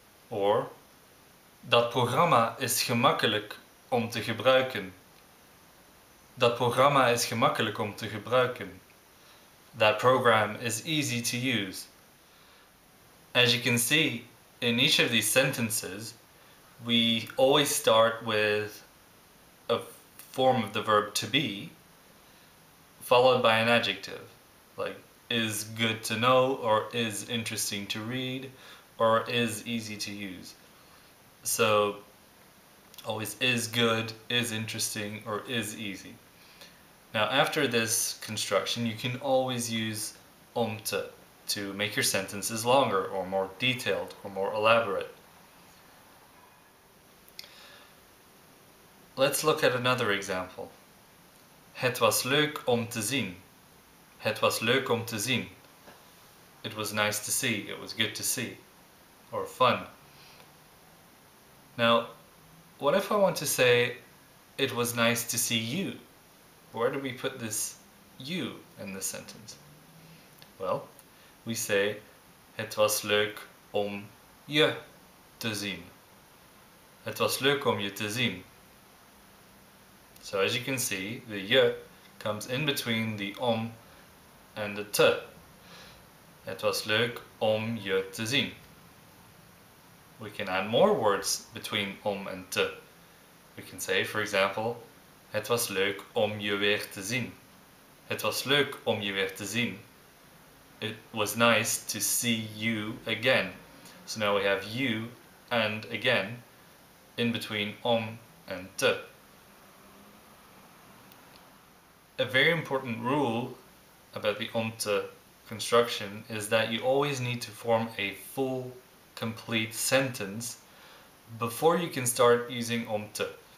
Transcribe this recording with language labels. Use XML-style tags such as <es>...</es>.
<nl>Or, dat programma is gemakkelijk om te gebruiken. Dat programma is gemakkelijk om te gebruiken.</nl> <en>That program is easy to use. As you can see, in each of these sentences, we always start with a form of the verb to be, followed by an adjective, like is good to know, or is interesting to read, or is easy to use. So, always is good, is interesting, or is easy. Now, after this construction, you can always use umte to make your sentences longer, or more detailed, or more elaborate. Let's look at another example.</en> <nl>Het was leuk om te zien. Het was leuk om te zien.</nl> <en>It was nice to see. It was good to see. Or fun. Now, what if I want to say, it was nice to see you? Where do we put this you in the sentence? Well, we say,</en> <nl>het was leuk om je te zien. Het was leuk om je te zien.</nl> <en>So as you can see, the je comes in between the om and the te.</en> <nl>Het was leuk om je te zien.</nl> <en>We can add more words between om and te. We can say, for example,</en> <nl>het was leuk om je weer te zien. Het was leuk om je weer te zien.</nl> <en>It was nice to see you again. So now we have you and again in between om and te. A very important rule about the umte construction is that you always need to form a full, complete sentence before you can start using umte.</en>